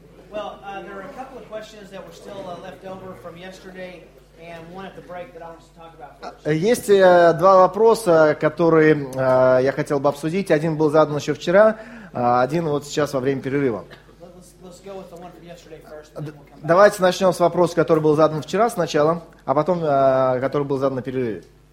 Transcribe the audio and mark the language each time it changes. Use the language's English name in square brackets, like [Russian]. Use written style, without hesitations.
[English] Well, there are a couple of questions that were still left over from yesterday, and one at the break that I want to talk about first. [Russian] Есть два вопроса, которые я хотел бы обсудить. Один был задан еще вчера, один вот сейчас во время перерыва. [English] Let's go with the one from yesterday first. [Russian] Давайте начнем с вопроса, который был задан вчера сначала, а потом, который был задан на перерыве.